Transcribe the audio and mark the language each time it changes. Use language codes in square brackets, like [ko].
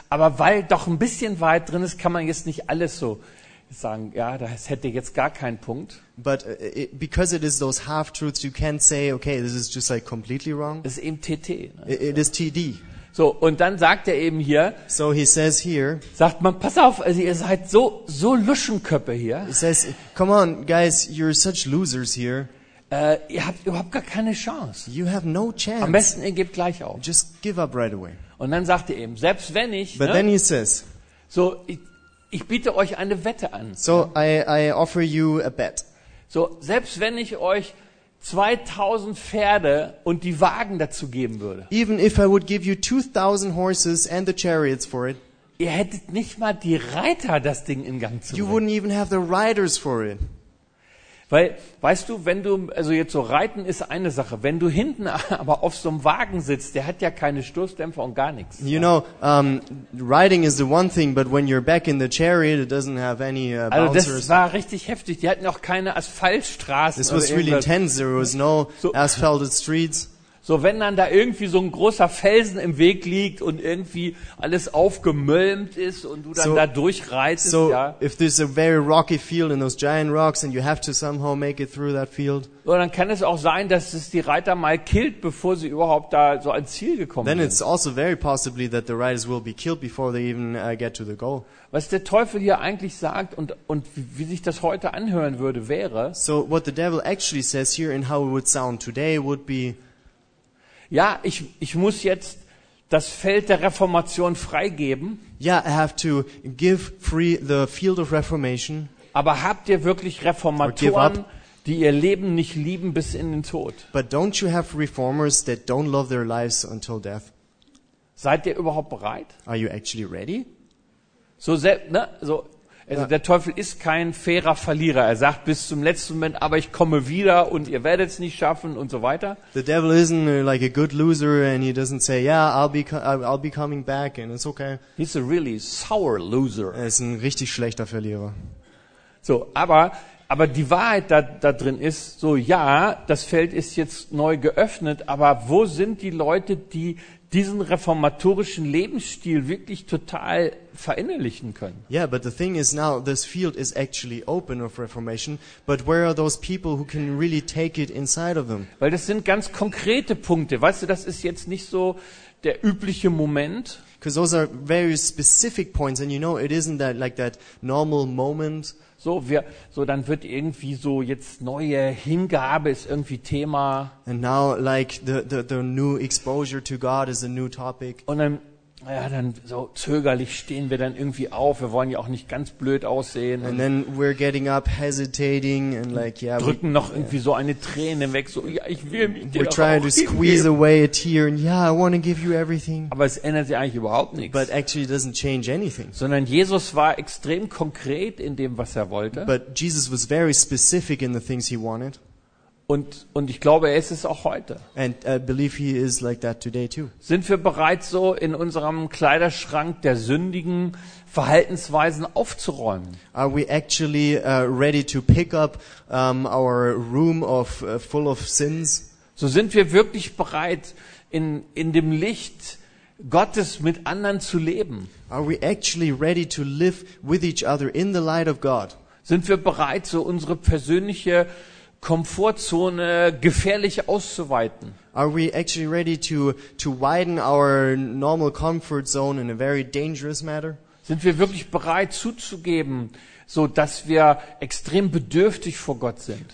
[de] Aber weil doch ein bisschen weit drin ist, kann man jetzt nicht alles so sagen, ja, das hätte jetzt gar keinen Punkt. [en] But because it is those half truths, you can't say, okay, this is just like completely wrong. [de] Es ist eben TT. [en] It is TD. [de] So, und dann sagt er eben hier, [en] so he says here, [de] sagt man, pass auf, also ihr seid so Luschenköppe hier. [en] He says, come on, guys, you're such losers here. [de] Ihr habt gar keine Chance. [en] You have no chance. [de] Am besten, ihr gebt gleich auf. [en] Just give up right away. [de] Und dann sagt er eben, selbst wenn ich, [en] but [de] ne, [en] then he says, [de] so, ich biete euch eine Wette an. [en] So, I offer you a bet. [de] So, selbst wenn ich euch 2000 Pferde und die Wagen dazu geben würde. [en] Even if I would give you 2000 horses and the chariots for it. [de] Ihr hättet nicht mal die Reiter, das Ding in Gang zu bringen. [en] You wouldn't even have the riders for it. [de] Weil, weißt du, wenn du, also jetzt so reiten ist eine Sache, wenn du hinten aber auf so einem Wagen sitzt, der hat ja keine Stoßdämpfer und gar nichts. [en] You know, riding is the one thing, but when you're back in the chariot, it doesn't have any bouncers. [de] Also das war richtig heftig, die hatten auch keine Asphaltstraßen. [en] This was really intense, there was no asphalted streets. [de] So, wenn dann da irgendwie so ein großer Felsen im Weg liegt und irgendwie alles aufgemölmt ist und du dann da durchreitest, [en] so, if there's a very rocky field and those giant rocks and you have to somehow make it through that field. [de] So, dann kann es auch sein, dass es die Reiter mal killt, bevor sie überhaupt da so ans Ziel gekommen [en] then Then it's also very possibly that the riders will be killed before they even get to the goal. [de] Was der Teufel hier eigentlich sagt und wie sich das heute anhören würde, wäre. [en] So, what the devil actually says here and how it would sound today would be. [de] Ja, ich muss jetzt das Feld der Reformation freigeben. [en] Yeah, I have to give free the field of Reformation. [de] Aber habt ihr wirklich Reformatoren, die ihr Leben nicht lieben bis in den Tod? [en] But don't you have reformers that don't love their lives until death? [de] Seid ihr überhaupt bereit? [en] Are you actually ready? [de] Also der Teufel ist kein fairer Verlierer. Er sagt bis zum letzten Moment, aber ich komme wieder und ihr werdet es nicht schaffen und so weiter. [en] The devil isn't like a good loser and he doesn't say, yeah, I'll be coming back and it's okay. He's a really sour loser. [de] Er ist ein richtig schlechter Verlierer. So, aber die Wahrheit da drin ist, so ja, das Feld ist jetzt neu geöffnet, aber wo sind die Leute, die diesen reformatorischen Lebensstil wirklich total verinnerlichen können? [en] Yeah, but the thing is now this field is actually open of reformation, but where are those people who can really take it inside of them? [de] Weil das sind ganz konkrete Punkte, weißt du, das ist jetzt nicht so der übliche Moment. [en] Because those are very specific points and you know it isn't that like that normal moment. [de] So dann wird irgendwie so jetzt neue Hingabe ist irgendwie Thema. [en] And now like the new exposure to God is a new topic. [de] Und dann so zögerlich stehen wir dann irgendwie auf. Wir wollen ja auch nicht ganz blöd aussehen. [en] And then we're getting up hesitating and like yeah. [de] Drücken noch irgendwie so eine Träne weg. So ja, ich will mich dir auch. [en] We're trying to squeeze away a tear and yeah, I want to give you everything. [de] Aber es ändert sich eigentlich überhaupt nichts. [en] But actually, it doesn't change anything. [de] Sondern Jesus war extrem konkret in dem, was er wollte. [en] But Jesus was very specific in the things he wanted. [de] Und ich glaube, er ist es auch heute. [en] And I believe he is like that today too. [de] Sind wir bereit, so in unserem Kleiderschrank der sündigen Verhaltensweisen aufzuräumen? [en] Are we actually ready to pick up our room of full of sins? [de] So sind wir wirklich bereit, in dem Licht Gottes mit anderen zu leben? [en] Are we actually ready to live with each other in the light of God? [de] Sind wir bereit, so unsere persönliche Komfortzone gefährlich auszuweiten? [en] Are we actually ready to widen our normal comfort zone in a very dangerous matter? [de] Sind wir wirklich bereit zuzugeben, so dass wir extrem bedürftig vor Gott sind?